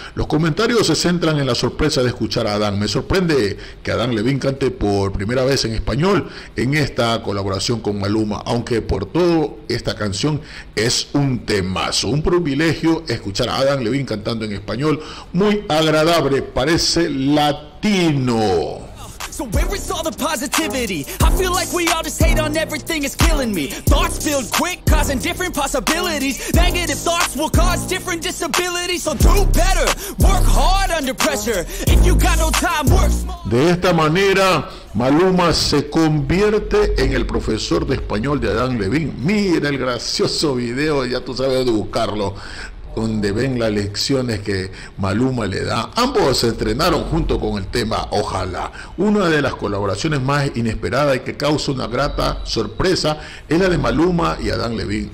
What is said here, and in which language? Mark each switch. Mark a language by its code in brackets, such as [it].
[es] Los comentarios se centran en la sorpresa de escuchar a Adán. Me sorprende que Adán Levine cante por primera vez en español en esta colaboración con Maluma, aunque por todo, esta canción es un temazo. Un privilegio escuchar a Adán Levine cantando en español. Muy agradable, parece latino. [en] So where is all the positivity? I feel like we all just hate on everything, it's killing me. Thoughts build quick, causing different possibilities. Negative thoughts will cause different disabilities. So do better, work hard under pressure. If you got no time, work small. [es] De esta manera, Maluma se convierte en el profesor de español de Adam Levine. Mira el gracioso video, ya tú sabes dónde buscarlo, donde ven las lecciones que Maluma le da. Ambos se estrenaron junto con el tema Ojalá. Una de las colaboraciones más inesperadas y que causa una grata sorpresa es la de Maluma y Adam Levine.